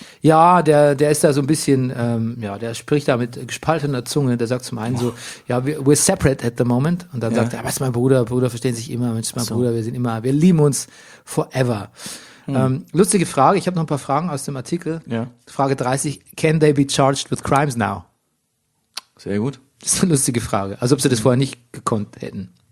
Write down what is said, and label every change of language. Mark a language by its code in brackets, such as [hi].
[de] Ja, der ist da so ein bisschen, der spricht da mit gespaltener Zunge. Der sagt zum einen [en] we're separate at the moment. [de] Und dann sagt er, was ist mein Bruder? Bruder verstehen sich immer. Mensch, mein Bruder, wir sind immer, wir lieben uns forever. Lustige Frage, ich habe noch ein paar Fragen aus dem Artikel. Ja. [en] Frage 30, can they be charged with crimes now? [de] Sehr gut. Das ist eine lustige Frage. Als ob sie das vorher nicht gekonnt hätten.